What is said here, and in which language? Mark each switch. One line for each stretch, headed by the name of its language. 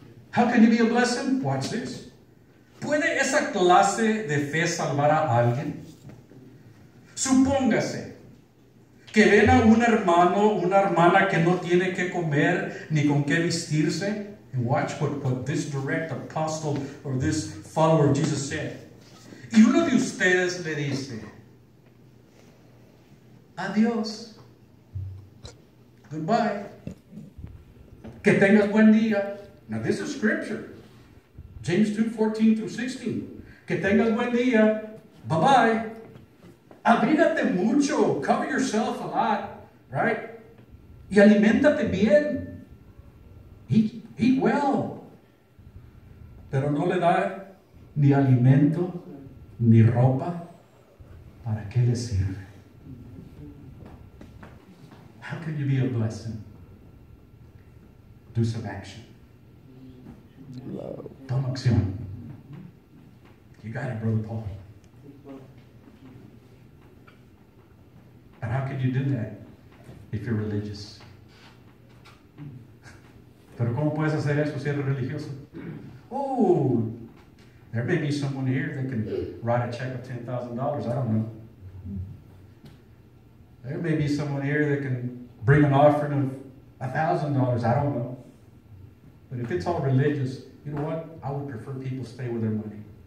English: How can you be a blessing? Watch this.
Spanish: ¿Puede esa clase de fe salvar a alguien? Supóngase que ven a un hermano, una hermana que no tiene que comer ni con qué vestirse.
English: And watch what this direct apostle or this follower of Jesus said.
Spanish: Y uno de ustedes le dice, adiós.
English: Goodbye.
Spanish: Que tengas buen día.
English: Now this is scripture.
Spanish: James 2:14-16. Que tengas buen día.
English: Bye bye.
Spanish: Abrígate mucho.
English: Cover yourself a lot. Right?
Spanish: Y alimentate bien.
English: Eat. Eat well.
Spanish: Pero no le da ni alimento, ni ropa. ¿Para qué le sirve?
English: How can you be a blessing? Do some action.
Spanish: Toma acción.
English: You got it, Brother Paul. And how could you do that if you're religious?
Spanish: Pero cómo puedes hacer eso si eres religioso?
English: Oh, there may be someone here that can write a check of $10,000. I don't know. There may be someone here that can bring an offering of $1,000. I don't know. But if it's all religious, you know what? I would prefer people stay with their money.